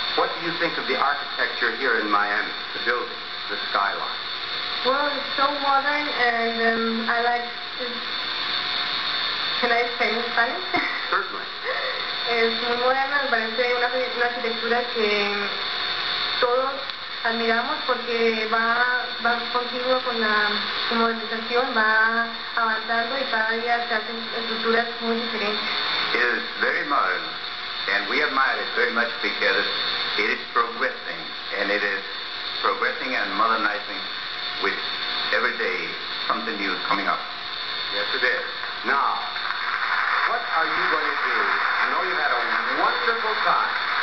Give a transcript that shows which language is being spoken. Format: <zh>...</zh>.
<en>What do you think of the architecture here in Miami, the building, the skyline? Well, it's so modern, and I like it. Can I say in Spanish? Certainly.</en> <es>Es muy moderno, me parece una arquitectura que todos admiramos porque va continuo con la modernización, va avanzando y cada día se hacen estructuras muy diferentes.</es> <en>It is very modern. And we admire it very much because it is progressing, and it is progressing and modernizing with every day something new coming up. Yes, it is. Now, what are you going to do? I know you've had a wonderful time.</en>